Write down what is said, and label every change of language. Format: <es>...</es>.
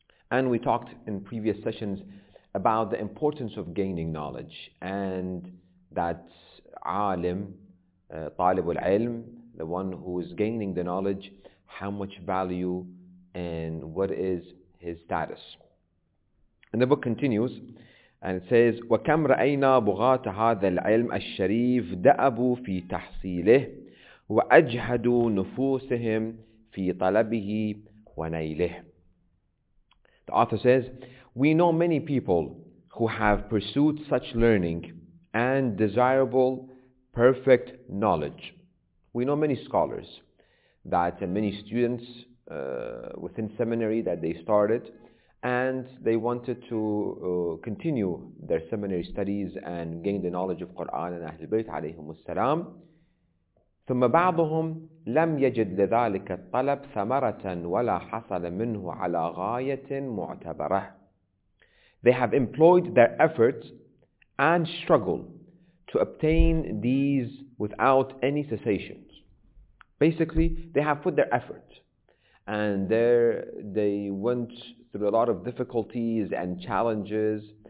<en>And we talked in previous sessions about the importance of gaining knowledge and that alim, talib al-ilm, the one who is gaining the knowledge, how much value and what is his status. And the book continues and it says,</en> <ar>وَكَمْ رَأَيْنَا بُغَاتَ هَذَا الْعِلْمَ الشَّرِيفِ دَأَبُوا فِي تَحْصِيلِهِ وَأَجْهَدُوا نُفُوسِهِمْ فِي طَلَبِهِ وَنَيْلِهِ.</ar> <en>The author says, we know many people who have pursued such learning and desirable, perfect knowledge. We know many scholars that and many students within seminary that they started and they wanted to continue their seminary studies and gain the knowledge of Quran and Ahlul Bayt alayhim as-salam.</en> <ar>ثم بعضهم لم يجد لذلك الطلب ثمرة ولا حصل منه على غاية معتبرة.</ar> <en>They have employed their efforts and struggle to obtain these without any cessation. Basically, they have put their effort and they went through a lot of difficulties and challenges.</en>